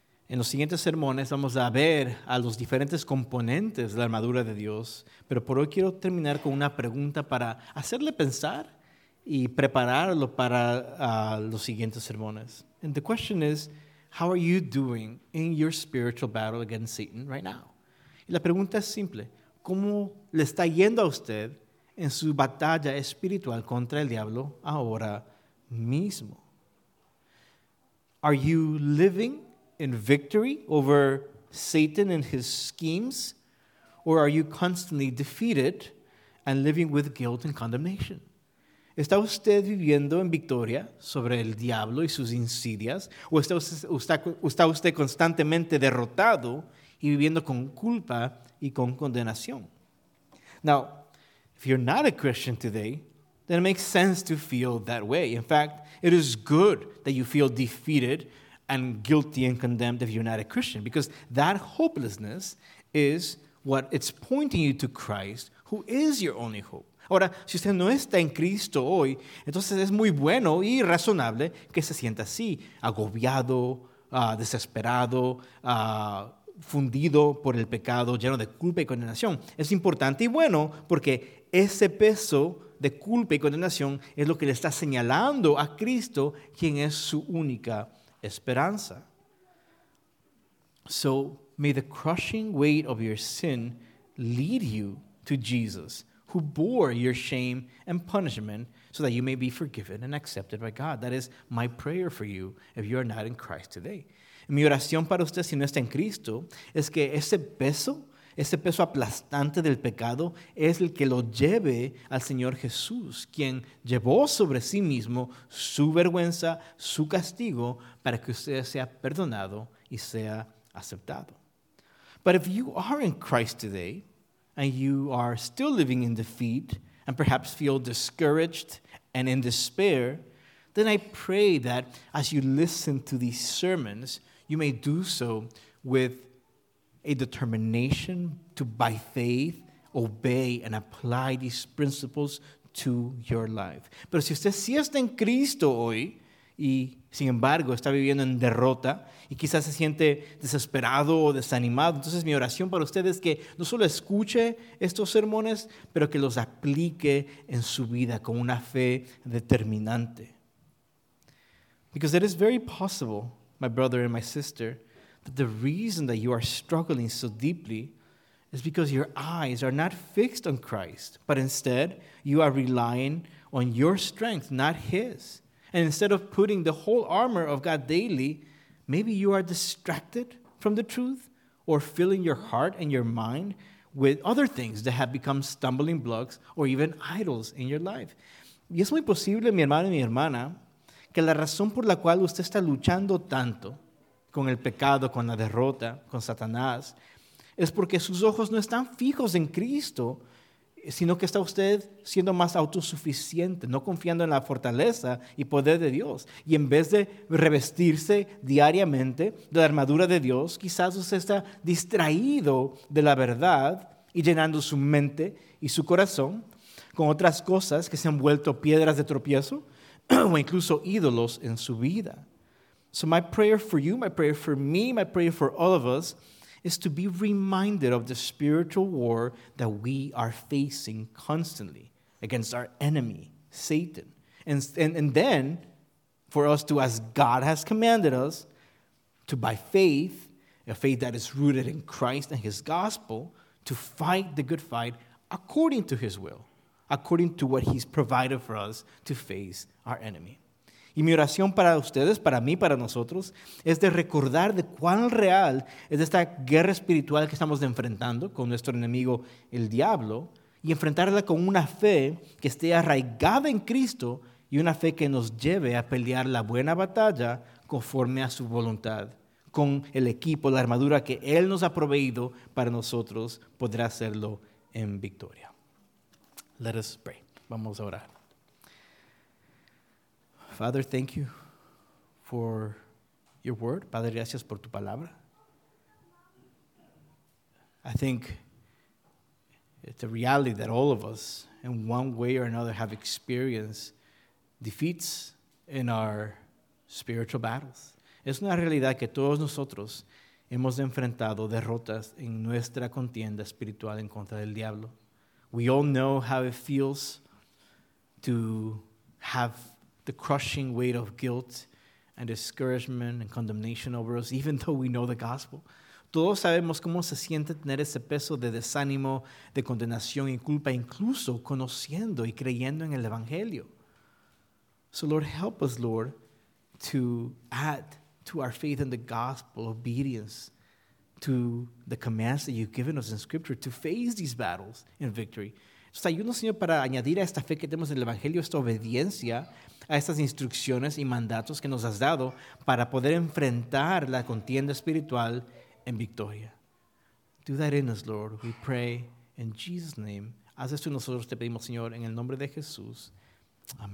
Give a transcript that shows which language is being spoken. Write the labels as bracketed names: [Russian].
[Spanish] En los siguientes sermones vamos a ver a los diferentes componentes de la armadura de Dios, pero por hoy quiero terminar con una pregunta para hacerle pensar y prepararlo para los siguientes sermones. [English] And the question is, how are you doing in your spiritual battle against Satan right now? [Spanish] Y la pregunta es simple. ¿Cómo le está yendo a usted en su batalla espiritual contra el diablo ahora mismo? [English] Are you living in victory over Satan and his schemes? Or are you constantly defeated and living with guilt and condemnation? [Spanish] ¿Está usted viviendo en victoria sobre el diablo y sus insidias? ¿O está usted constantemente derrotado y viviendo con culpa y con condenación? [English] Now, if you're not a Christian today, then it makes sense to feel that way. In fact, it is good that you feel defeated and guilty and condemned if you're not a Christian, because that hopelessness is what it's pointing you to Christ, who is your only hope. [Spanish] Ahora, si usted no está en Cristo hoy, entonces es muy bueno y razonable que se sienta así, agobiado, desesperado, fundido por el pecado, lleno de culpa y condenación. Es importante y bueno porque ese peso de culpa y condenación es lo que le está señalando a Cristo, quien es su única esperanza. [English] So, may the crushing weight of your sin lead you to Jesus, who bore your shame and punishment so that you may be forgiven and accepted by God. That is my prayer for you if you are not in Christ today. [Spanish] Mi oración para usted si no está en Cristo es que ese peso, ese peso aplastante del pecado es el que lo lleve al Señor Jesús, quien llevó sobre sí mismo su vergüenza, su castigo, para que usted sea perdonado y sea aceptado. [English] But if you are in Christ today, and you are still living in defeat, and perhaps feel discouraged and in despair, then I pray that as you listen to these sermons, you may do so with a determination to, by faith, obey and apply these principles to your life. [Spanish] Pero si usted sí está en Cristo hoy, y sin embargo está viviendo en derrota, y quizás se siente desesperado o desanimado, entonces mi oración para usted es que no solo escuche estos sermones, pero que los aplique en su vida con una fe determinante. [English] Because it is very possible, my brother and my sister, that the reason that you are struggling so deeply is because your eyes are not fixed on Christ, but instead you are relying on your strength, not His. And instead of putting the whole armor of God daily, maybe you are distracted from the truth or filling your heart and your mind with other things that have become stumbling blocks or even idols in your life. [Spanish] Y es muy posible, mi hermano y mi hermana, que la razón por la cual usted está luchando tanto con el pecado, con la derrota, con Satanás, es porque sus ojos no están fijos en Cristo, sino que está usted siendo más autosuficiente, no confiando en la fortaleza y poder de Dios. Y en vez de revestirse diariamente de la armadura de Dios, quizás usted está distraído de la verdad y llenando su mente y su corazón con otras cosas que se han vuelto piedras de tropiezo o incluso ídolos en su vida. [English] So my prayer for you, my prayer for me, my prayer for all of us is to be reminded of the spiritual war that we are facing constantly against our enemy, Satan. And then for us to, as God has commanded us, to by faith, a faith that is rooted in Christ and His gospel, to fight the good fight according to His will, according to what He's provided for us to face our enemy. [Spanish] Y mi oración para ustedes, para mí, para nosotros, es de recordar de cuán real es esta guerra espiritual que estamos enfrentando con nuestro enemigo, el diablo, y enfrentarla con una fe que esté arraigada en Cristo y una fe que nos lleve a pelear la buena batalla conforme a su voluntad, con el equipo, la armadura que Él nos ha proveído para nosotros, podrá hacerlo en victoria. [English] Let us pray. [Spanish] Vamos a orar. [English] Father, thank you for your word. [Spanish] Padre, gracias por tu palabra. [English] I think it's a reality that all of us, in one way or another, have experienced defeats in our spiritual battles. [Spanish] Es una realidad que todos nosotros hemos enfrentado derrotas en nuestra contienda espiritual en contra del diablo. [English] We all know how it feels to have the crushing weight of guilt and discouragement and condemnation over us, even though we know the gospel. [Spanish] Todos sabemos cómo se siente tener ese peso de desánimo, de condenación y culpa, incluso conociendo y creyendo en el evangelio. [English] So Lord, help us, Lord, to add to our faith in the gospel, obedience to the commands that you've given us in scripture to face these battles in victory. [Spanish] Entonces, ayúdanos, Señor, para añadir a esta fe que tenemos en el evangelio, esta obediencia a estas instrucciones y mandatos que nos has dado para poder enfrentar la contienda espiritual en victoria. [English] Do that in us, Lord, we pray in Jesus' name. [Spanish] Haz esto en nosotros, te pedimos, Señor, en el nombre de Jesús. Amén.